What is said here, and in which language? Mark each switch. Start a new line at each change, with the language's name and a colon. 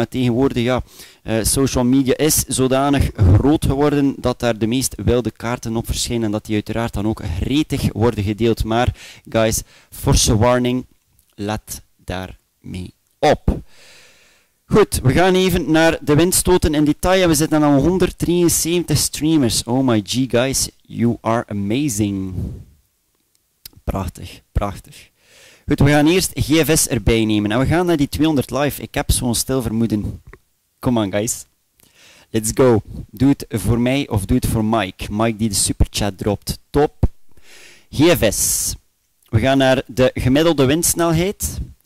Dutch: Maar tegenwoordig, ja, social media is zodanig groot geworden dat daar de meest wilde kaarten op verschijnen. En dat die uiteraard dan ook gretig worden gedeeld. Maar, guys,
English: forse warning,
Dutch: let daarmee op. Goed, we gaan even naar de windstoten in detail. We zitten aan 173 streamers.
English: Oh my G, guys, you are amazing.
Dutch: Prachtig, prachtig. Goed, we gaan eerst GFS erbij nemen. En we gaan naar die 200 live. Ik heb zo'n stil vermoeden.
English: Come on, guys. Let's go.
Dutch: Doe het voor mij of doe het voor Mike. Mike die de superchat dropt. Top. GFS. We gaan naar de gemiddelde windsnelheid.